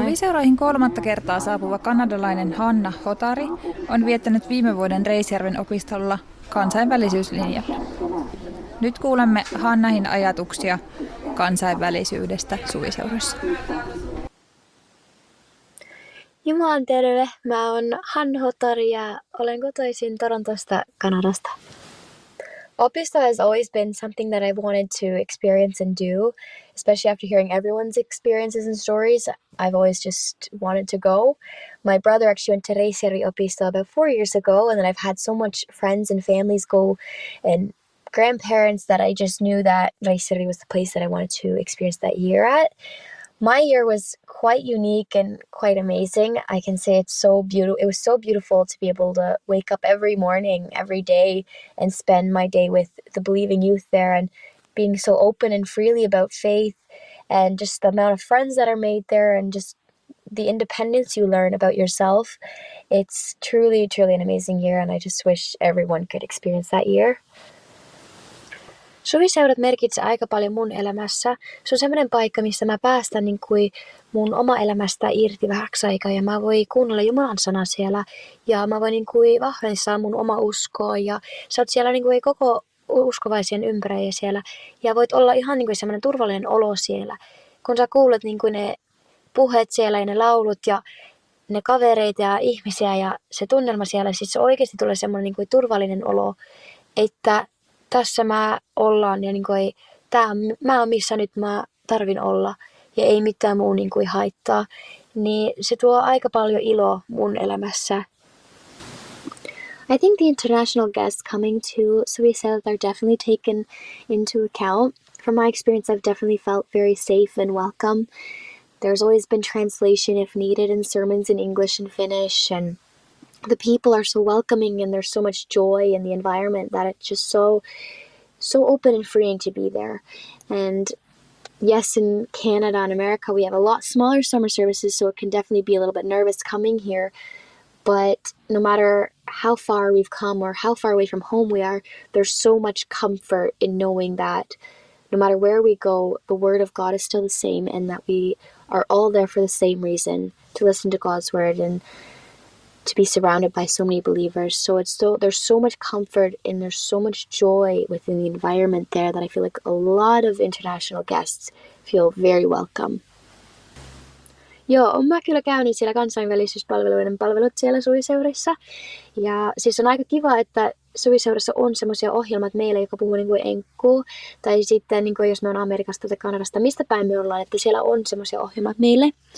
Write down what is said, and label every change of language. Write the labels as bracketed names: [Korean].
[Finnish] Suviseuroihin kolmatta kertaa saapuva kanadalainen Hanna Hotari on viettänyt viime vuoden Reisjärven opistolla kansainvälisyyslinja. Nyt kuulemme Hannahin ajatuksia kansainvälisyydestä Suviseurossa. Jumalan terve, mä oon Hanna Hotari ja olen kotoisin Torontosta, Kanadasta. [English] Opisto has always been something that I wanted to experience and do, especially after hearing everyone's experiences and stories. I've always just wanted to go. My brother actually went to Reisjärvi Opisto about 4 years ago, and then I've had so much friends and families go and grandparents that I just knew that Reisjärvi was the place that I wanted to experience that year at. My year was quite unique and quite amazing. I can say it's so beautiful. It was so beautiful to be able to wake up every morning, every day, and spend my day with the believing youth there and being so open and freely about faith and just the amount of friends that are made there and just the independence you learn about yourself. It's truly, truly an amazing year, and I just wish everyone could experience that year. [Finnish] Suviseurat merkitsee aika paljon mun elämässä. Se on semmoinen paikka, missä mä päästän niin kuin mun oma elämästä irti vähäksi aikaa ja mä voin kuunnella Jumalan sanaa siellä ja mä voin niin kuin vahvistaa mun oma uskoa ja sä oot siellä niin kuin koko uskovaisien ympäröjä siellä ja voit olla ihan niin kuin semmoinen turvallinen olo siellä. Kun sä kuulet niin kuin ne puheet siellä ja ne laulut ja ne kavereita ja ihmisiä ja se tunnelma siellä, siis se oikeasti tulee semmoinen niin kuin turvallinen olo, että tässä mä ollaan ja niin kuin mä oon missä nyt mä tarvin olla ja ei mitään muu niin kuin haittaa. Niin se tuo aika paljon iloa mun elämässä. [English] I think the international guests coming to Suviseurat are definitely taken into account. From my experience, I've definitely felt very safe and welcome. There's always been translation if needed in sermons in English and Finnish, and the people are so welcoming and there's so much joy in the environment that it's just so open and freeing to be there. And yes, in Canada and America, we have a lot smaller summer services, so it can definitely be a little bit nervous coming here. But no matter how far we've come or how far away from home we are, there's so much comfort in knowing that no matter where we go, the word of God is still the same and that we are all there for the same reason, to listen to God's word and to be surrounded by so many believers. So it's so, there's so much comfort and there's so much joy within the environment there that I feel like a lot of international guests feel very welcome. [Finnish] Joo, mä kyllä käynyt siellä kansainvälisyyspalveluiden palvelut siellä Suviseurissa. Ja siis on aika kiva, että Suviseurissa on semmoisia ohjelmat meillä, jotka puhuu niin kuin enkkuu. Tai sitten niin kuin jos me on Amerikasta tai Kanadasta, mistä päin me ollaan, että siellä on semmoisia ohjelmat meille.